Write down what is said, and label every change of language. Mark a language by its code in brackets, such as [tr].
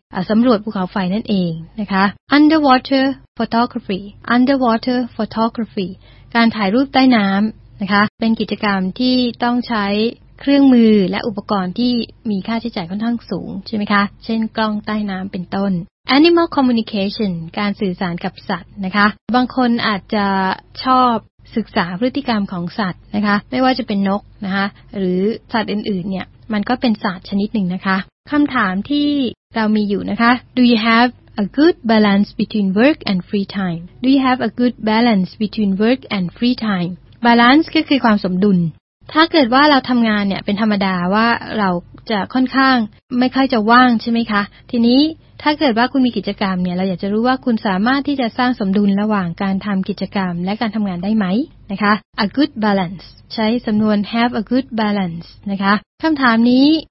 [th] สำรวจภูเขาไฟนั่นเองนะคะ [en] underwater photography underwater photography [th] การถ่ายรูปใต้น้ำนะคะเป็นกิจกรรมที่ต้องใช้เครื่องมือและอุปกรณ์ที่มีค่าใช้จ่ายค่อนข้างสูงใช่ไหมคะเช่นกล้องใต้น้ำเป็นต้น [en] animal communication [th] การสื่อสารกับสัตว์นะคะบางคนอาจจะ ชอบศึกษาพฤติกรรมของสัตว์นะคะไม่ว่าจะเป็นนกนะคะหรือสัตว์อื่นๆเนี่ยมันก็เป็นศาสตร์ชนิดหนึ่งนะคะคำถามที่เรามีอยู่นะคะ [en] Do you have a good balance between work and free time? Do you have a good balance between work and free time? [th] Balance ก็คือความสมดุลถ้าเกิดว่าเราทำงานเนี่ยเป็นธรรมดาว่าเราจะค่อนข้างไม่ค่อยจะว่างใช่ไหมคะทีนี้ถ้าเกิดว่าคุณมีกิจกรรมเนี่ยเราอยากจะรู้ว่าคุณสามารถที่จะสร้างสมดุลระหว่างการทำกิจกรรมและการทำงานได้ไหมนะคะ [en] a good balance [th] ใช้สำนวน [en] have a good balance [th] นะคะคำถามนี้